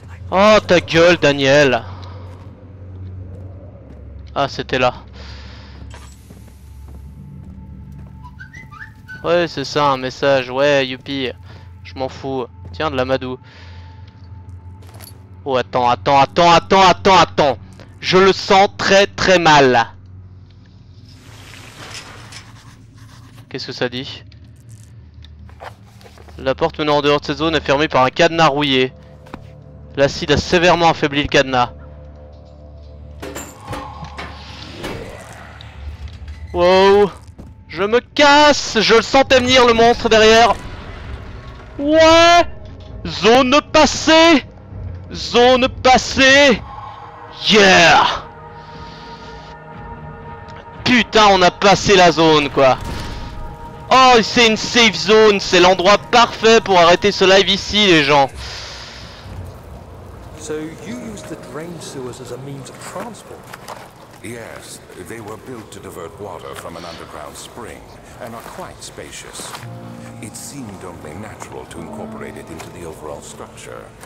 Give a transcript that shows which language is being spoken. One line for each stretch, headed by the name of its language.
French: Oh ta gueule Daniel. Ah c'était là. Ouais c'est ça un message. Ouais youpi. Je m'en fous. Tiens de l'amadou. Oh attends attends attends attends attends attends. Je le sens très très mal. Qu'est-ce que ça dit? La porte menant en dehors de cette zone est fermée par un cadenas rouillé. L'acide a sévèrement affaibli le cadenas. Wow. Je me casse. Je le sentais venir, le monstre derrière. Ouais. Zone passée. Zone passée. Yeah. Putain, on a passé la zone, quoi. Oh, c'est une safe zone. C'est l'endroit parfait pour arrêter ce live ici, les gens.
English: So you use the drain sewers as a means of transport? Yes, they were built to divert water from an underground spring and are quite spacious. It seemed only natural to incorporate it into the overall structure.